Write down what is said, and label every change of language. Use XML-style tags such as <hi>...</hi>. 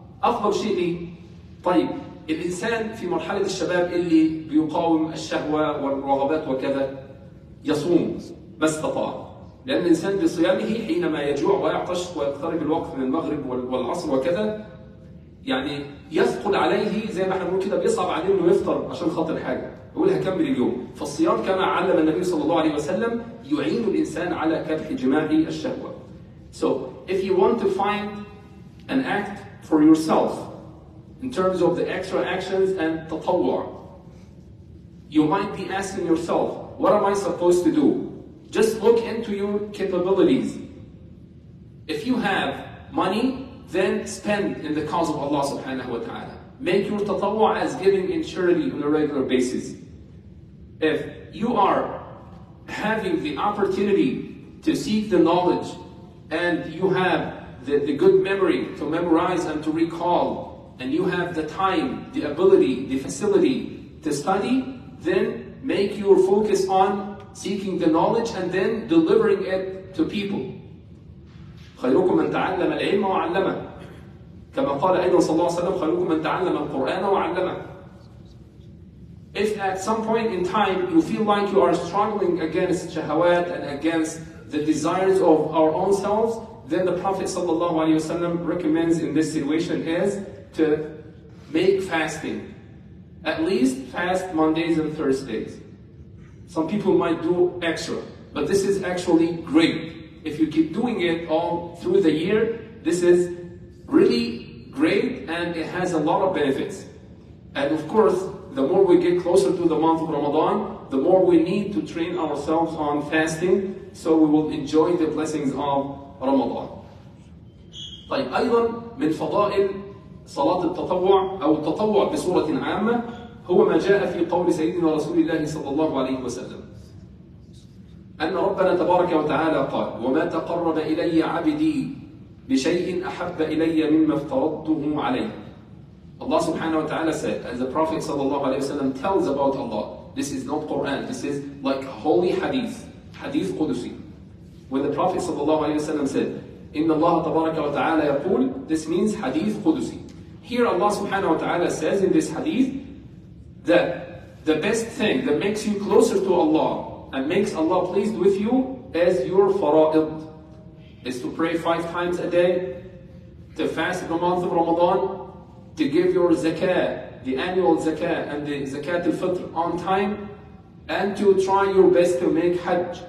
<ar>افضل شيء ايه؟ طيب الانسان في مرحله الشباب اللي بيقاوم الشهوه والرغبات وكذا يصوم ما استطاع، لان الانسان بصيامه حينما يجوع ويعطش ويقترب الوقت من المغرب والعصر وكذا يعني يثقل عليه، زي ما احنا بنقول كده بيصعب عليه انه يفطر عشان خاطر حاجه، يقول هكمل اليوم. فالصيام كما علم النبي صلى الله عليه وسلم يعين الانسان على كبح جماع الشهوه.</ar> <en>So if you want to find an act for yourself in terms of the extra actions and تطوع, you might be asking yourself, what am I supposed to do? Just look into your capabilities. If you have money, then spend in the cause of Allah subhanahu wa ta'ala. Make your تطوع as giving in charity on a regular basis. If you are having the opportunity to seek the knowledge and you have the good memory to memorize and to recall, and you have the time, the ability, the facility to study, then make your focus on seeking the knowledge and then delivering it to people.</en> <ar>خيركم من تعلم العلم وعلمه، كما قال أيضا صلى الله عليه وسلم خيركم من تعلم القرآن وعلمه.</ar> <en>If at some point in time you feel like you are struggling against shahawat and against the desires of our own selves, then the Prophet صلى الله عليه وسلم recommends in this situation is to make fasting. At least fast Mondays and Thursdays. Some people might do extra, but this is actually great. If you keep doing it all through the year, this is really great and it has a lot of benefits. And of course, the more we get closer to the month of Ramadan, the more we need to train ourselves on fasting so we will enjoy the blessings of Ramadan.</en> <ar>طيب أيضا من فضائل صلاة التطوع أو التطوع بصورة عامة هو ما جاء في قول سيدنا رسول الله صلى الله عليه وسلم أن ربنا تبارك وتعالى قال وما تقرب إلي عبدي بشيء أحب إلي مما افترضته عليه.</ar> <en>Allah subhanahu wa ta'ala said, as the Prophet sallallahu alayhi wa sallam tells about Allah, this is not Quran, this is like holy hadith, hadith Qudusi. When the Prophet sallallahu alayhi wa sallam said,</en> <ar>إِنَّ اللَّهَ تَبَارَكَ وَتَعَالَى يَقُولُ,</ar> <en>this means hadith Qudusi. Here Allah subhanahu wa ta'ala says in this hadith that the best thing that makes you closer to Allah and makes Allah pleased with you is your fara'id, is to pray 5 times a day, to fast the month of Ramadan, to give your zakah, the annual zakah and the zakat al-fitr on time, and to try your best to make hajj.</en>